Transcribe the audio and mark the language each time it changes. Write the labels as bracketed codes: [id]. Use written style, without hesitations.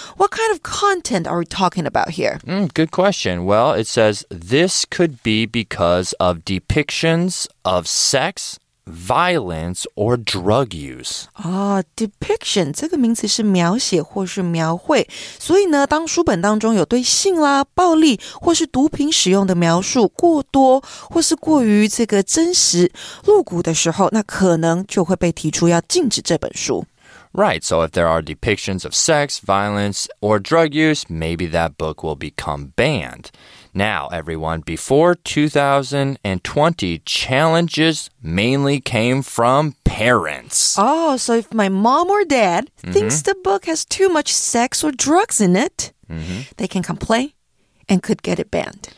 [en] What kind of content are we talking about here? Good question. Well, it says, this could be because of depictions of sex, violence, or drug use. [zh] Depiction, 这个名词是描写或是描绘。所以呢，当书本当中有对性啦、暴力或是毒品使用的描述过多或是过于这个真实露骨的时候，那可能就会被提出要禁止这本书。 [en] Right, so if there are depictions of sex, violence, or drug use, maybe that book will become banned. Now, everyone, before 2020, challenges mainly came from parents. Oh, so if my mom or dad thinks the book has too much sex or drugs in it, they can complain and could get it banned.